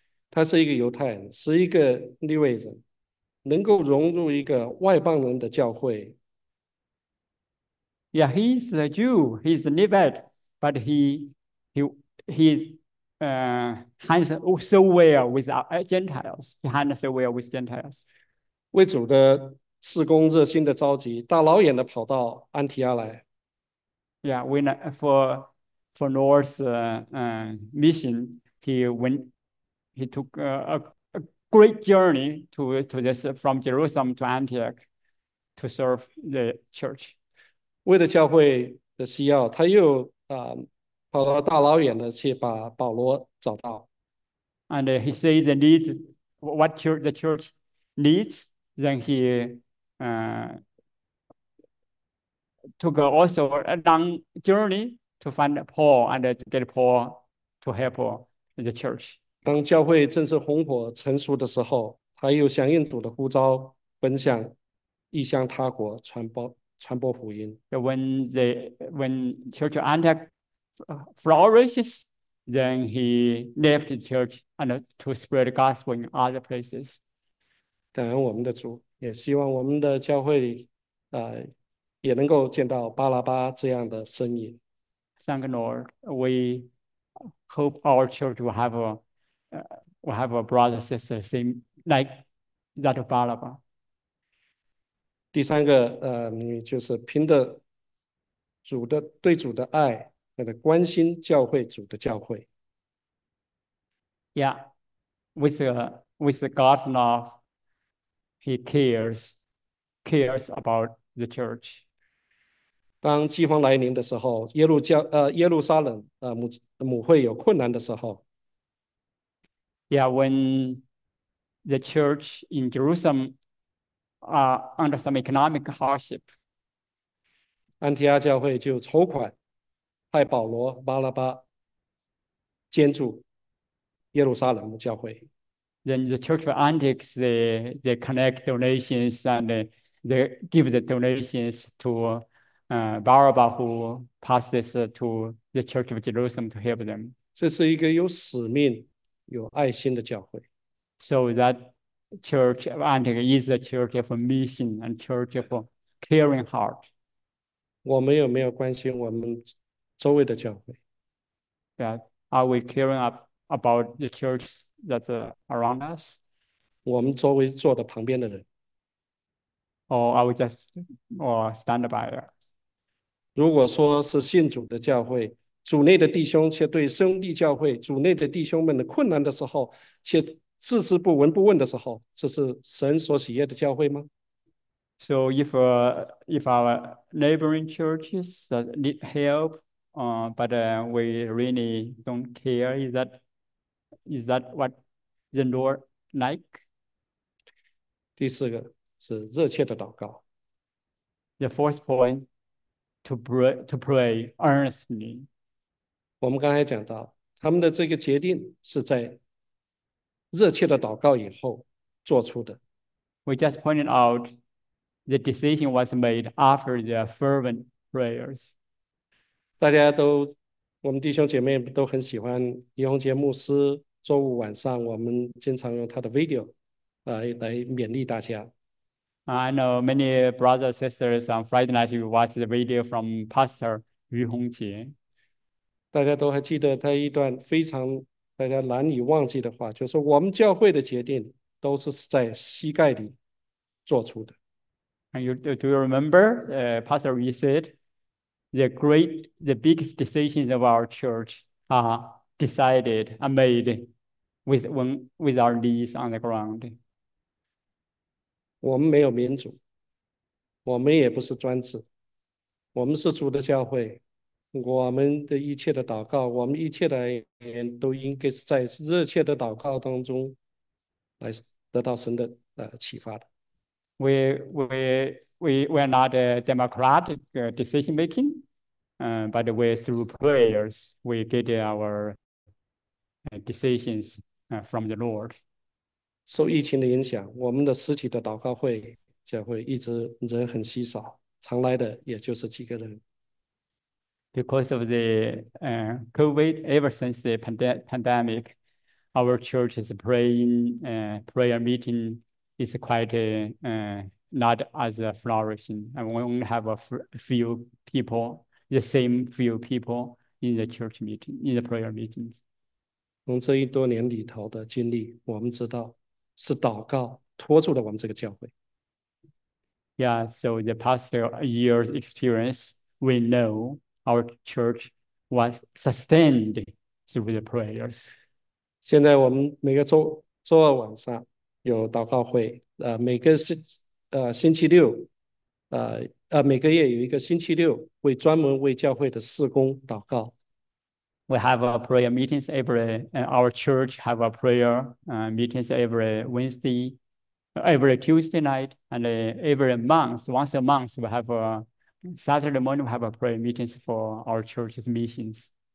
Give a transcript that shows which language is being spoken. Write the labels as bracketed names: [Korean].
[Chinese] 他是一个犹太人，是一个利未人，能够融入一个外邦人的教会。 [English] Yeah, he's a Jew, he's a Levite, but he hands so well with Gentiles. He hands so well with Gentiles. [Chinese] 为主的事工热心的召集，大老远的跑到安提阿来。 [English] Yeah, when for Lord's mission, he took a great journey to this from Jerusalem to Antioch to serve the church. [Chinese] 为了教会的需要，他又跑到大老远的去把保罗找到。 [English] And he says the needs what church, the church needs, then he took also a long journey to find Paul and to get Paul to help the church. [Chinese] 当教会正是红火成熟的时候，他又响应主的呼召，奔向异乡他国，传播福音。 [English] When Church Antioch flourishes, then he left the church and to spread the gospel in other places. [Chinese] 感恩我们的主，也希望我们的教会也能够见到巴拉巴这样的身影。 [English] Thank the Lord. We hope our church will have a brother, sister, same like that of Barnabas. [Chinese] 第三个，你就是凭着主的对主的爱，那个关心教会主的教会。 [English] Yeah, with God's love, He cares about the church. [Chinese] 当饥荒来临的时候，耶路撒冷母会有困难的时候。 [English] Yeah, when the church in Jerusalem are under some economic hardship. [Chinese] 安提阿教会就筹款，派保罗、巴拉巴捐助耶路撒冷教会。 [English] Then the church of Antioch, they collect donations and they give the donations to Barabbas who passes to the church of Jerusalem to help them. [Chinese] 这是一个有使命、有爱心的教会。 [English] So that church of Antioch is a church of mission and church of caring heart. [Chinese] 我们有没有关心我们周围的教会？ [English] That are we caring up about the churches that's around us? [Chinese] 我们周围坐的旁边的人， [English] Or are we just or stand by us? [Chinese] 如果说是信主的教会，主内的弟兄却对兄弟教会、主内的弟兄们的困难的时候，却置之不闻、不问的时候，这是神所喜悦的教会吗？ [English] So if our neighboring churches need help, but we really don't care, is that what the Lord like? [Chinese] 第四个是热切的祷告。 [English] The fourth point, to pray earnestly. [Chinese] 我们刚才讲到，他们的这个决定是在热切的祷告以后做出的。 [English] We just pointed out the decision was made after the fervent prayers. [Chinese] 大家都，我们弟兄姐妹都很喜欢李洪杰牧师。周五晚上，我们经常用他的 video。来勉励大家。 [English] I know many brothers and sisters on Friday night you watch the video from Pastor 于洪杰。 [Chinese] 大家都还记得他一段非常大家难以忘记的话，就是我们教会的决定都是在膝盖里做出的。 [English] Do you remember, Pastor? We said the biggest decisions of our church are decided and made with our knees on the ground. [Chinese] 我们没有民主，我们也不是专制，我们是主的教会，我们的一切的祷告，我们一切的爱都应该是在热切的祷告当中来得到神的启发的。 [English] We are not a democratic decision making, but we through prayers we get our decisions from the Lord. [Chinese] 受疫情的影响，我们的实体的祷告会就会一直人很稀少，常来的也就是几个人。 [English] Because of the COVID, ever since the pandemic, our church's prayer meeting is quite not as flourishing, and we only have a few people, the same few people in the church meeting, in the prayer meetings. [Chinese] 从这一多年里头的经历，我们知道。是祷告托住了我们这个教会。 [English] Yeah, so the past year's experience, we know our church was sustained through the prayers. [Chinese] 现在我们每个周二晚上有祷告会，每个月有一个星期六，会专门为教会的事工祷告。 [English] We have a prayer meetings every, our church have a prayer meetings every Wednesday, every Tuesday night, and every month, once a month, we have a Saturday morning, we have a prayer meetings for our church's missions.